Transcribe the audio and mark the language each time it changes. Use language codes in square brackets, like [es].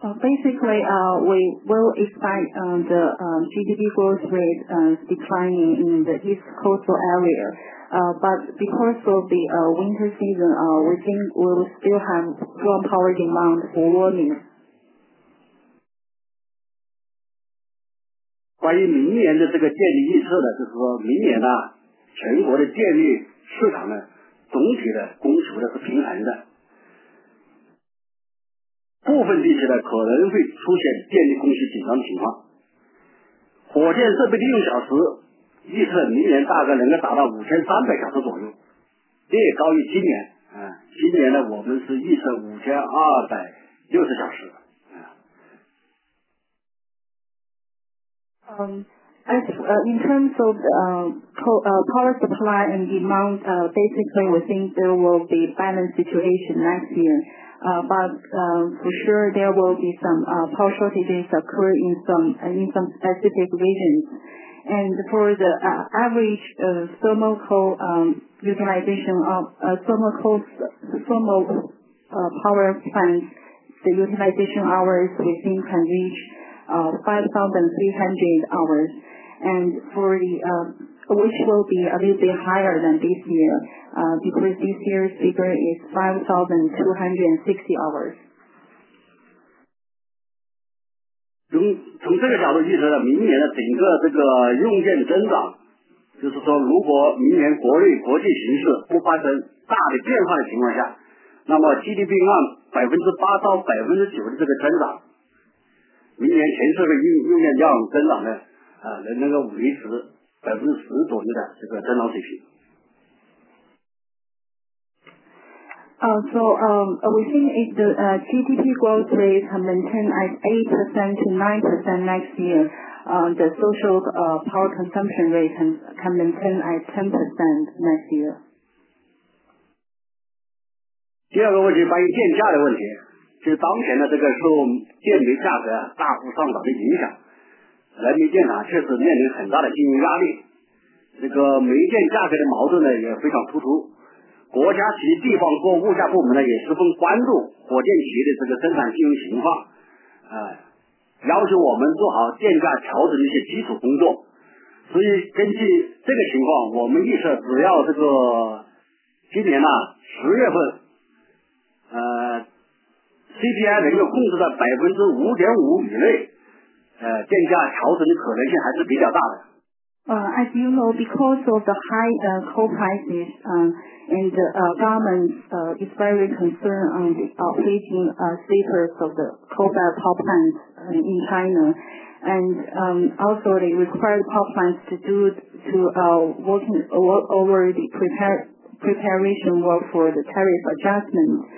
[en] Basically, we will expect the GDP growth rate declining in the East Coastal area. But because of the winter season, we think we will still have strong power demand for warming. [zh] 关于明年的这个电力预测呢，就是说明年呢，全国的电力市场呢，总体的供求呢是平衡的，部分地区呢可能会出现电力供需紧张的情况。火电设备利用小时预测明年大概能够达到5300小时左右，略高于今年。今年呢我们是预测5260小时。 [en] In terms of power supply and demand, basically we think there will be balanced situation next year. But for sure there will be some power shortages occur in some specific regions. And for the average thermal coal utilization of power plants, the utilization hours we think can reach 5,300 hours, and for the which will be a little bit higher than this year, because this year's figure is 5,260 hours. [zh] 从这个角度预测呢，明年的整个这个用电增长，就是说，如果明年国内国际形势不发生大的变化的情况下，那么 GDP 按8%到9%的这个增长。明年全社会用电量增长呢，能够维持10%左右的这个增长水平。 [en] We think if the GDP growth rate can maintain at 8% to 9% next year, the social power consumption rate can maintain at 10% next year. [zh] 第二个问题，关于电价的问题。就当前的这个受电煤价格大幅上涨的影响，人民电厂确实面临很大的经营压力，这个煤电价格的矛盾呢也非常突出，国家及地方各物价部门呢也十分关注火电企业的这个生产经营情况，要求我们做好电价调整的一些基础工作。所以根据这个情况，我们预测只要这个今年呢十月份CPI 能够控制在5.5%以内，电价调整的可能性还是比较大的。 [en] As you know, because of the high coal prices, and the government is very concerned on the operating status of the coal-fired power plants in China, and also they require power plants to work over the preparation work for the tariff adjustment.